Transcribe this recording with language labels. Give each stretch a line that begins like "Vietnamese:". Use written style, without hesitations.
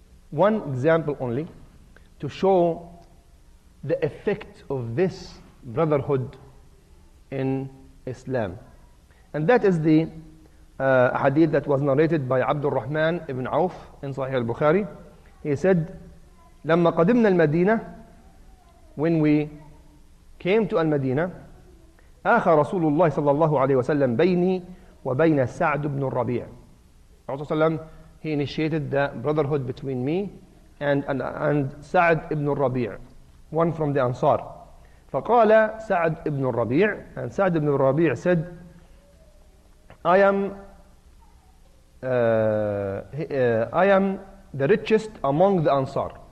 English: One example only to show the effect of this brotherhood in Islam. And that is the hadith that was narrated by Abdul Rahman ibn Auf in Sahih al-Bukhari. He said,
Arabic: لما قدمنا المدينة,
English: when we came to
Arabic: المدينة, آخى رسول الله صلى الله عليه وسلم بيني وبين سعد بن الربيع.
English: He initiated the brotherhood between me and سعد بن الربيع, one from the Ansar.
Arabic: فقال سعد بن الربيع,
English: and سعد بن الربيع said, I am the richest among the Ansar.